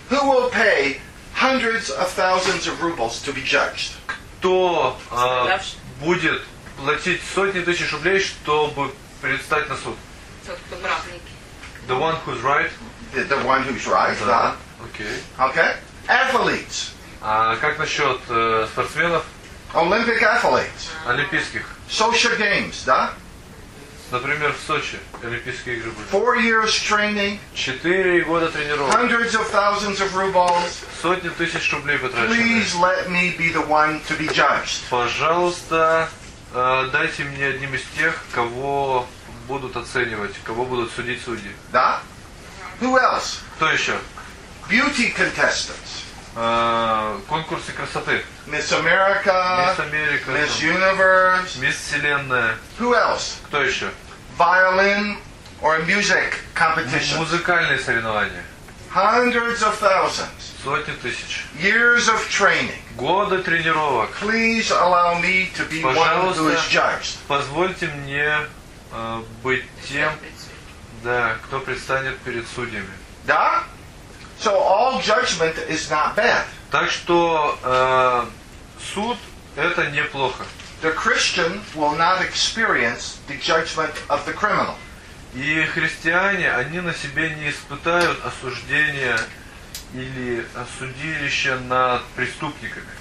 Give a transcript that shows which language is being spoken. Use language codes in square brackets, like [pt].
[en] Who will pay hundreds of thousands of rubles to be judged? [ru] Кто будет платить сотни тысяч рублей, чтобы предстать на суд? [en] The one who's right. The one who's right. Да. Okay. Okay. Athletes. [ru] А как насчет спортсменов? [en] Olympic athletes. [ru] Олимпийских. [en] Social games, да? [ru] Например, в Сочи Олимпийские игры были. [en] 4 years training. [ru] 4 года тренировок. [en] Hundreds of thousands of rubles. [ru] Сотни тысяч рублей потрачено. [en] Please let me be the one to be judged. [ru] Пожалуйста, дайте мне одним из тех, кого будут оценивать, кого будут судить судьи. [en] Да? Who else? [ru] Кто еще? [en] Beauty contestants. [ru] Конкурсы красоты. [en] Miss America. Miss America. Miss Universe. [ru] Мисс Вселенная. [en] Who else? [ru] Кто еще? [en] Violin or music competition. [ru] Музыкальные соревнования. [en] Hundreds of thousands. [ru] Сотни тысяч. [en] Years of training. [ru] Годы тренировок. [en] Please allow me to be one who is judged. [ru] Позвольте мне быть тем, да, кто предстанет перед судьями. Да? [en] So all judgment is not bad. [ru] Так что суд это неплохо. [en] The Christian will not experience the judgment of the criminal. [ru] И христиане, они на себе не испытают осуждения или осудилища над преступниками.